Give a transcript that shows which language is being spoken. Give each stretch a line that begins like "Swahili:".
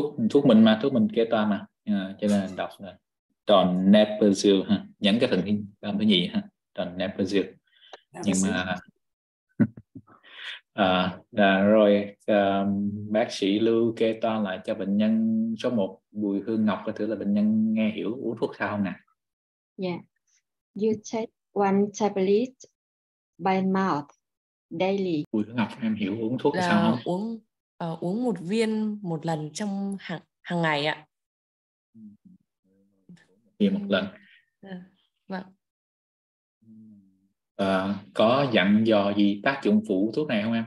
Vietnamese: Thuốc mình mà, thuốc mình kê toa mà, cho nên đọc là tròn nepazil ha, nhấn cái thần âm thứ nhì ha, tròn nepazil. Nhưng mà rồi bác sĩ Lưu kê toa lại cho bệnh nhân số 1 Bùi Hương Ngọc, có thử là bệnh nhân nghe hiểu uống thuốc sao không nè?
English: Yeah, you take one tablet by mouth daily.
Vietnamese: Bùi Hương Ngọc, em hiểu uống thuốc là sao không? Uống một viên một lần trong hàng ngày ạ. Viên một lần. Vâng. Có dặn dò gì tác dụng phụ thuốc này không em?